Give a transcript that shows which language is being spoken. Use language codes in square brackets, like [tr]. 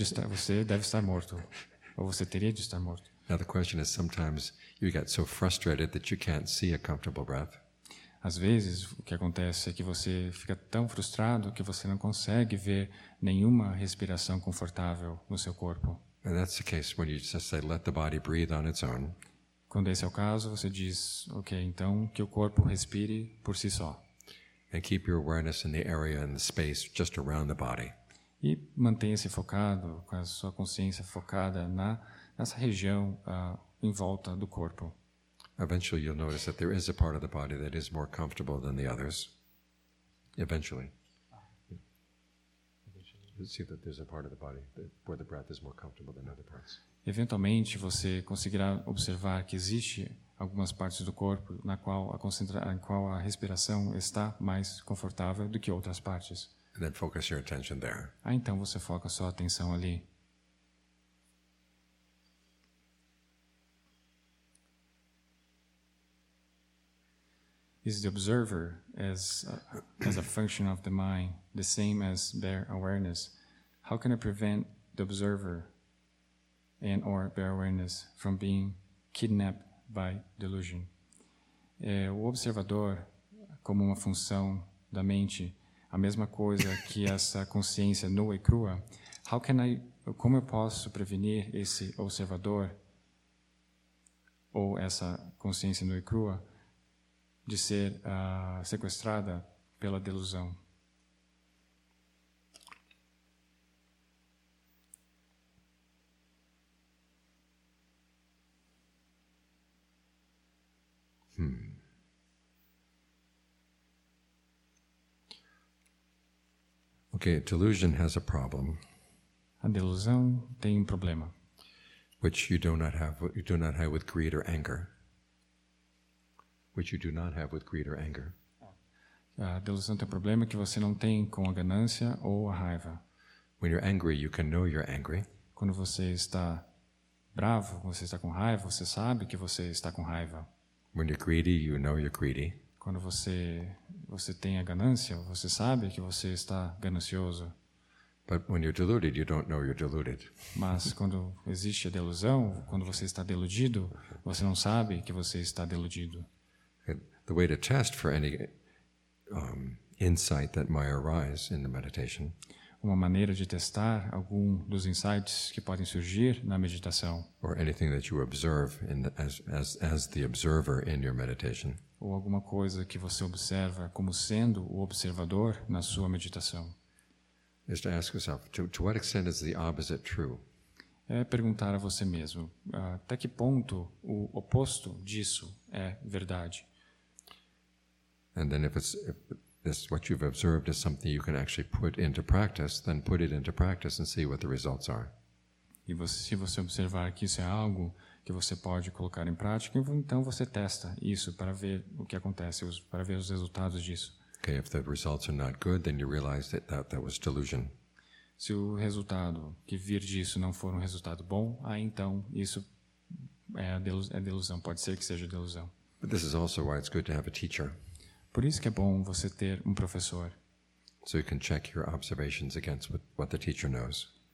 [pt] Você deve estar morto, ou você teria de estar morto. [en] Now, the question is, sometimes you get so frustrated that you can't see a comfortable breath. [pt] Às vezes, o que acontece é que você fica tão frustrado que você não consegue ver nenhuma respiração confortável no seu corpo. [en] And that's the case when you just say, let the body breathe on its own. [pt] Quando esse é o caso, você diz, ok, então que o corpo respire por si só. [en] And keep your awareness in the area and the space just around the body. [pt] E mantenha-se focado, com a sua consciência focada nessa região em volta do corpo. [en] Eventually you'll notice that there is a part of the body that is more comfortable than the others. Eventually. See that there's a part of the body where the breath is more comfortable than other parts. [pt] Eventualmente você conseguirá observar que existe algumas partes do corpo na qual a respiração está mais confortável do que outras partes. [en] And then focus your attention there. [pt] Ah, então você foca sua atenção ali. [en] Is the observer as a function of the mind the same as their awareness? How can I prevent the observer and or bare awareness from being kidnapped by delusion? [pt] O observador, como uma função da mente, a mesma coisa que essa consciência nua e crua, como eu posso prevenir esse observador ou essa consciência nua e crua de ser sequestrada pela delusão? [en] Okay, delusion has a problem. [pt] A delusão tem um problema. [en] Which you do not have with greed or anger. Which you do not have with greed or anger. [pt] A delusão tem um problema que você não tem com a ganância ou a raiva. [en] When you're angry, you can know you're angry. [pt] Quando você está bravo, você está com raiva, você sabe que você está com raiva. [en] When you're greedy, you know you're greedy. [pt] Quando você tem a ganância, você sabe que você está ganancioso. [en] But when you're deluded, you don't know you're deluded. [pt] Mas quando existe a delusão, quando você está deludido, você não sabe que você está deludido. [en] The way to test for any insight that might arise in the meditation. [pt] Uma maneira de testar algum dos insights que podem surgir na meditação. [en] Or anything that you observe as the observer in your meditation. [pt] Ou alguma coisa que você observa como sendo o observador na sua meditação. [en] Is to ask yourself, to what extent is the opposite true? [pt] É perguntar a você mesmo, até que ponto o oposto disso é verdade? [en] And then if this what you've observed is something you can actually put into practice, then put it into practice and see what the results are. [pt] E se você observar que isso é algo que você pode colocar em prática, então você testa isso para ver o que acontece, para ver os resultados disso. [en] Okay, if the results are not good, then you realize that was delusion. [pt] Se o resultado que vir disso não for um resultado bom, aí então isso é delusão, pode ser que seja delusão. [en] But this is also why it's good to have a teacher. [pt] Por isso que é bom você ter professor. [en] So you can check your observations against what the teacher knows.